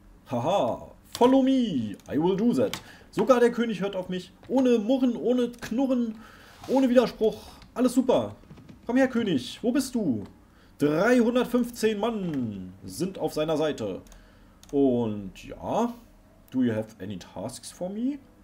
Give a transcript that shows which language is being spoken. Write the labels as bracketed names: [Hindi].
[English] Haha, follow me, I will do that. [German] Sogar der König hört auf mich. Ohne Murren, ohne Knurren, ohne Widerspruch. Alles super. Komm her, König, wo bist du? 315 Mann sind auf seiner Seite. Und ja, [English] do you have any tasks for me?